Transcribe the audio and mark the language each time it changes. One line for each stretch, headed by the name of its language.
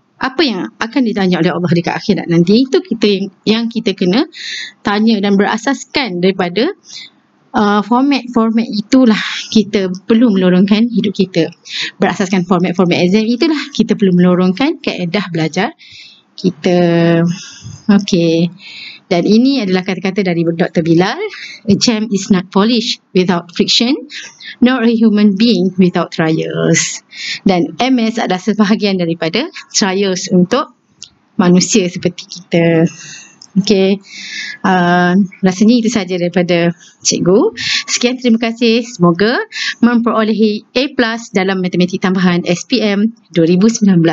Malay: Apa yang akan ditanya oleh Allah dekat akhirat nanti, itu kita yang kita kena tanya dan berasaskan daripada format-format itulah kita perlu melorongkan hidup kita. Berasaskan format-format exam itulah kita perlu melorongkan kaedah belajar kita. Okay. Dan ini adalah kata-kata dari Dr. Bilal.
English: A gem is not polished without friction, nor a human being without trials.
Malay: Dan MS adalah sebahagian daripada trials untuk manusia seperti kita. Okay, rasanya itu sahaja daripada cikgu. Sekian, terima kasih. Semoga memperolehi A+ dalam matematik tambahan SPM 2019.